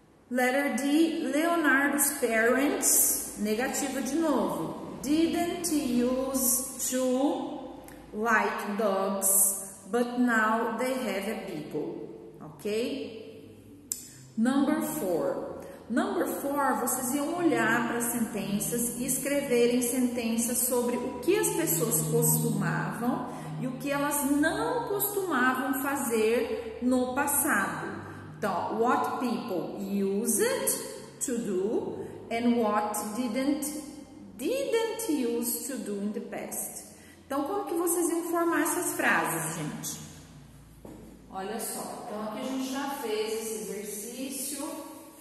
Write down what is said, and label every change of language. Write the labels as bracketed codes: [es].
[en] Letter D, Leonardo's parents, [pt] negativo de novo, [en] didn't use to like dogs, but now they have a beagle, ok? [pt] Number four, vocês iam olhar para as sentenças e escreverem sentenças sobre o que as pessoas costumavam e o que elas não costumavam fazer no passado. Então, [en] what people used to do and what didn't use to do in the past. [pt] Então, como que vocês iam formar essas frases, gente? Olha só, então aqui a gente já fez esse exercício.